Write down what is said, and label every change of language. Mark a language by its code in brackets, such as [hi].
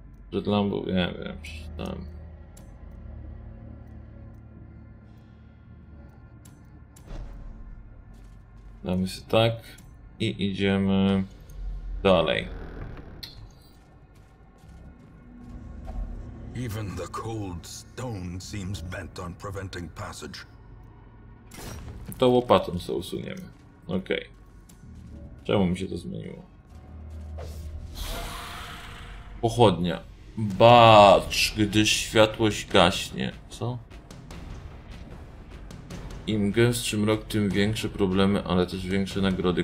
[pl] Przed lambą? Nie wiem, przeczytałem. Damy sobie tak i idziemy dalej. [en] Even the cold stone seems bent on preventing passage. [pl] To łopatą sobie usuniemy. Okej. Okay. Czemu mi się to zmieniło? Pochodnia. Bacz, gdyż światłość gaśnie. Co? Im gęstszy mrok, tym większe problemy, ale też większe nagrody.